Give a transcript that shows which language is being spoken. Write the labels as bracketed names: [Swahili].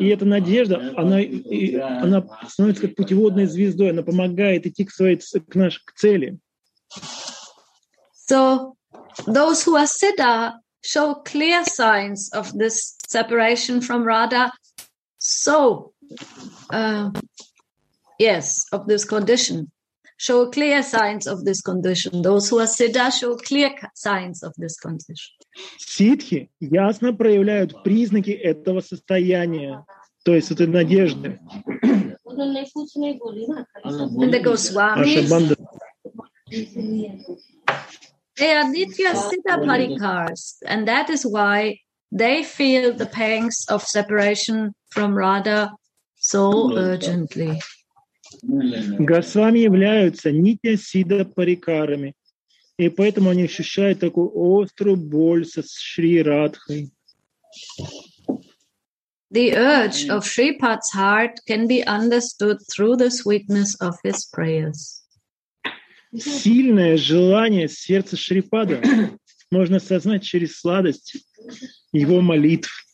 [Russian] И эта надежда, она становится как путеводной звездой, она помогает идти к своей, к нашей, к цели. [English] So, those who are siddha show clear signs of this separation from Radha. So, yes, of this condition. Show clear signs of this condition. Those who are siddha show clear signs of this condition. [Russian] Сиддхи ясно проявляют признаки этого состояния, то есть этой надежды. [English] And the Goswamis, they are nitya siddha parikars, and that is why they feel the pangs of separation from Radha so urgently. [Russian] Госвами являются нитья сидда парикарами, и поэтому они ощущают такую острую боль со Шри Радхой. [English] The urge of Shripad's heart can be understood through the sweetness of his prayers. [Russian] Сильное желание сердца Шрипада можно осознать через сладость его молитв.